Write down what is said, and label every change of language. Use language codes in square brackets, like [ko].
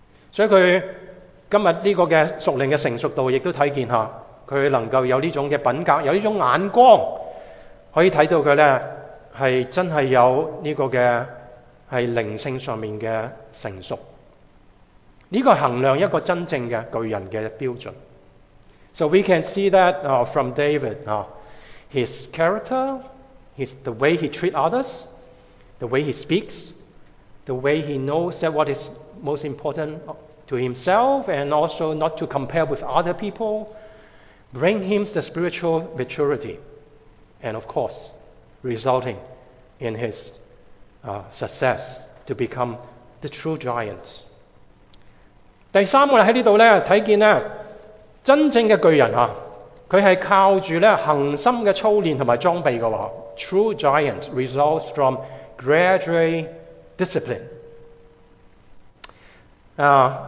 [zh] 所以他今天这个的属灵的成熟度也都看见，他能够有这种的品格，有这种眼光，可以看到他呢是真的有这个的是灵性上面的成熟。这个衡量一个真正的巨人的标准。 [en] So we can see that from David, his character, the way he treats others, the way he speaks, the way he knows that what is most important to himself and also not to compare with other people, bring him the spiritual maturity, and of course, resulting in his success to become the true giant. [zh] 第三个在这里看见呢，真正的巨人他是靠着恒心的操练和装备的。 [en] True giant results from gradual discipline.